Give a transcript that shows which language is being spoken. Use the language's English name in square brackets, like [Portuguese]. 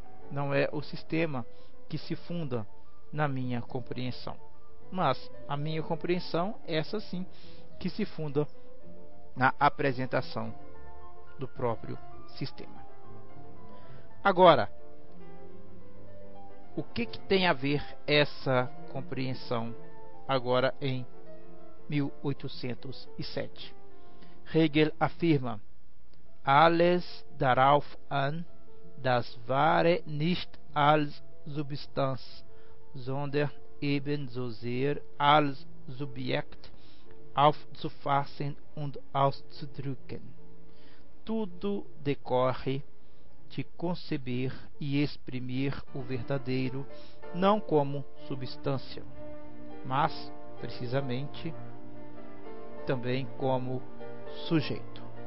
[Portuguese] Não é o sistema que se funda na minha compreensão, mas a minha compreensão, essa sim, que se funda na apresentação do próprio sistema. Agora, o que que tem a ver essa compreensão agora em 1807? Hegel afirma: [German] alles darauf an, das wahre nicht als Substanz, sondern ebenso sehr als Subjekt aufzufassen und auszudrücken. [Portuguese] Tudo decorre de conceber e exprimir o verdadeiro não como substância, mas, precisamente, também como sujeito.